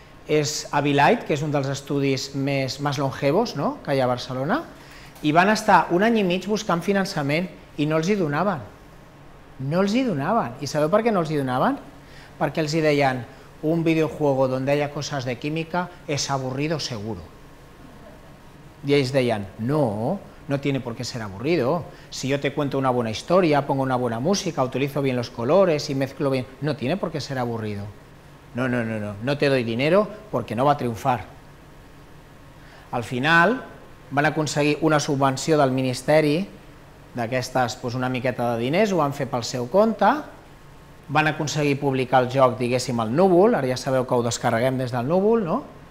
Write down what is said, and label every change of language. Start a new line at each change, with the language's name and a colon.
Catalan: És Abilite, que és un dels estudis més longevos, no?, que hi ha a Barcelona. I van estar un any i mig buscant finançament i no els hi donaven. No els hi donaven. I sabeu per què no els hi donaven? Perquè els hi deien un videojuego on deia coses de química és avorrido seguro. I ells deien,
Spanish: no tiene por qué ser aburrido. Si yo te cuento una buena historia, pongo una buena música, utilizo bien los colores y mezclo bien, no tiene por qué ser aburrido. No te doy dinero porque no va a triunfar.
Catalan: Al final van aconseguir una subvenció del ministeri, d'aquestes doncs una miqueta de diners, ho van fer pel seu compte, van aconseguir publicar el joc, diguéssim, al núvol, ara ja sabeu que ho descarreguem des del núvol, no?